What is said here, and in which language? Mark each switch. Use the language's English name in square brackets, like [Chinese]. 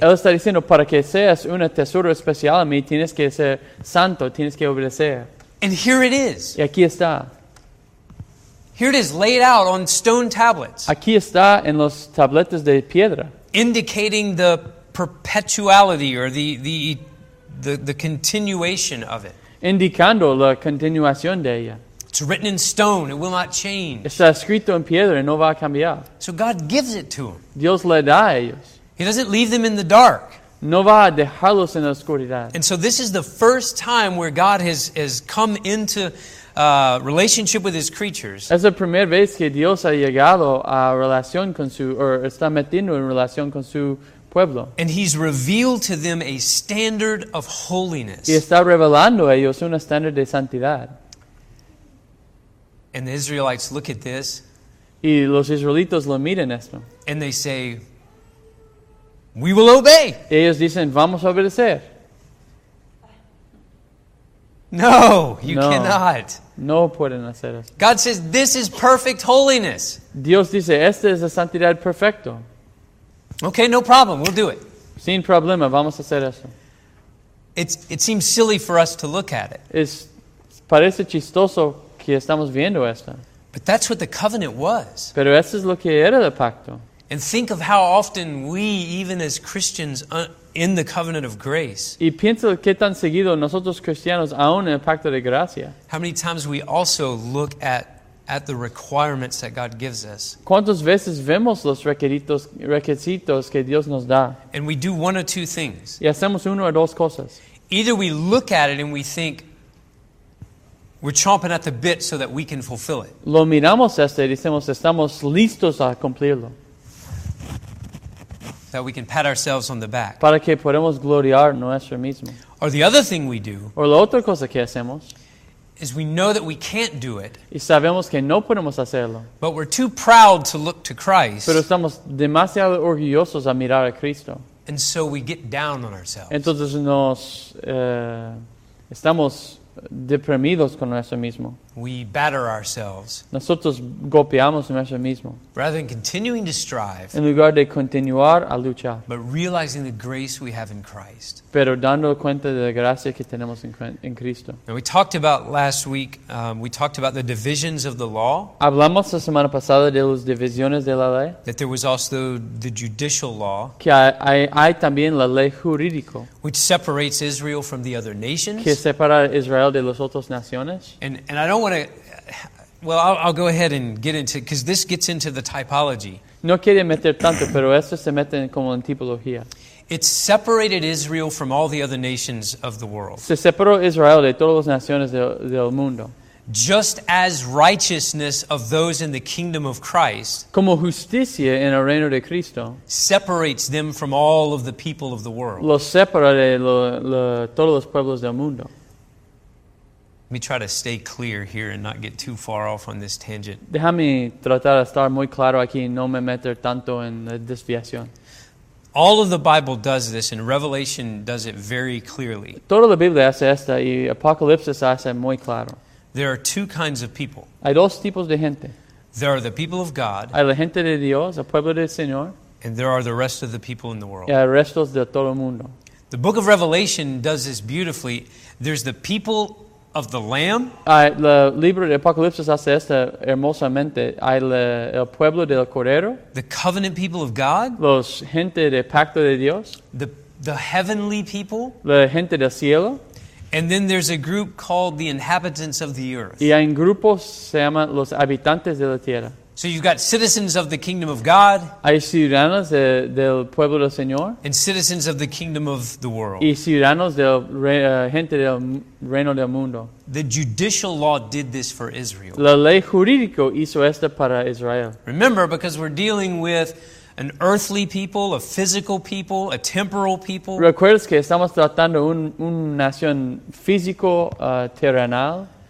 [Spanish] Él está diciendo, para que seas un tesoro especial a mí, tienes que ser santo, tienes que obedecer. [English] And here it is. [Spanish] Y aquí está. [English] Here it is laid out on stone tablets. [Spanish] Aquí está en los tabletes de piedra. [English] Indicating the perpetuality or the continuation of it. [Spanish] Indicando la continuación de ella. [English] It's written in stone. It will not change. [Spanish] Está escrito en piedra y no va a cambiar. [English] So God gives it to them. [Spanish] Dios le da a ellos. [English] He doesn't leave them in the dark. [Spanish] No va a dejarlos en la oscuridad. [English] And so this is the first time where God has come into relationship with his creatures. [Spanish] Es la primera vez que Dios ha llegado a relación con su, or está metiendo en relación con su pueblo. [English] And he's revealed to them a standard of holiness. [Spanish] Y está revelando a ellos una standard de santidad. [English] And the Israelites look at this. [Spanish] Y los israelitos lo miran esto. [English] And they say, we will obey. [Spanish] Y ellos dicen, vamos a obedecer. [English] No, you [Spanish] no, [English] cannot. [Spanish] No pueden hacer eso. [English] God says, this is perfect holiness. [Spanish] Dios dice, esta es la santidad perfecta. [English] Okay, no problem. We'll do it. [Spanish] Sin problema, vamos a hacer eso. [English] It seems silly for us to look at it. [Spanish] Parece chistoso que estamos viendo esto. [English] But that's what the covenant was. [Spanish] Pero eso es lo que era el pacto. [English] And think of how often we, even as Christians, in the covenant of grace. [Spanish] Y piensa qué tan seguido nosotros cristianos aún en el pacto de gracia. [English] How many times we also look at the requirements that God gives us. [Spanish] ¿Cuántas veces vemos los requisitos que Dios nos da? [English] And we do one or two things. [Spanish] Y hacemos una o dos cosas. [English] Either we look at it and we think we're chomping at the bit so that we can fulfill it. [Spanish] Lo miramos este y decimos estamos listos a cumplirlo. [English] That we can pat ourselves on the back. [Spanish] Para que podamos gloriar nuestro mismo. [English] Or the other thing we do. [Spanish] Or la otra cosa que hacemos. [English] Is we know that we can't do it. [Spanish] Y sabemos que no podemos hacerlo. [English] But we're too proud to look to Christ. [Spanish] Pero estamos demasiado orgullosos a mirar a Cristo. [English] And so we get down on ourselves. [Spanish] Entonces nos estamos deprimidos con nuestro mismo. [English] We batter ourselves. [Spanish] Nosotros golpeamos nuestro mismo. [English] Rather than continuing to strive. [Spanish] En lugar de continuar a luchar. [English] But realizing the grace we have in Christ. [Spanish] Pero dando cuenta de la gracia que tenemos en Cristo. [English] Now we talked about last week, we talked about the divisions of the law. [Spanish] Hablamos la semana pasada de las divisiones de la ley. [English] That there was also the judicial law. [Spanish] Que hay también la ley jurídica. [English] Which separates Israel from the other nations. [Spanish] Que separa a Israel de las otras naciones. [English] And I don't want to, well, I'll go ahead and get into, because this gets into the typology. [Spanish] No quiere meter tanto, pero esto se mete como en tipología. [English] It separated Israel from all the other nations of the world. [Spanish] Se separó Israel de todas las naciones del mundo. [English] Just as righteousness of those in the kingdom of Christ, [Spanish] como justicia en el reino de Cristo, [English] separates them from all of the people of the world. [Spanish] Los separa de todos los pueblos del mundo. [English] Let me try to stay clear here and not get too far off on this tangent. [Spanish] Déjame tratar de estar muy claro aquí y no me meter tanto en la desviación. [English] All of the Bible does this and Revelation does it very clearly. [Spanish] Toda la Biblia hace esta y Apocalipsis hace muy claro. [English] There are two kinds of people. [Spanish] Hay dos tipos de gente. [English] There are the people of God. [Spanish] Hay la gente de Dios, el pueblo del Señor. [English] And there are the rest of the people in the world. [Spanish] Y hay restos de todo el mundo. [English] The book of Revelation does this beautifully. There's the people of the Lamb. [Spanish] El libro de Apocalipsis hace esto hermosamente. Hay el pueblo del Cordero. [English] The covenant people of God. [Spanish] Los gente de pacto de Dios. [English] The heavenly people. [Spanish] La gente del cielo. [English] And then there's a group called the inhabitants of the earth. [Spanish] Y hay un grupo se llama los habitantes de la tierra. [English] So you've got citizens of the kingdom of God. [Spanish] Hay ciudadanos del pueblo del Señor. [English] And citizens of the kingdom of the world. [Spanish] Y ciudadanos del gente del reino del mundo. [English] The judicial law did this for Israel. [Spanish] La ley jurídica hizo esto para Israel. [English] Remember, because we're dealing with an earthly people, a physical people, a temporal people. [Spanish] ¿Recuerdas que estamos tratando un nación físico, terrenal?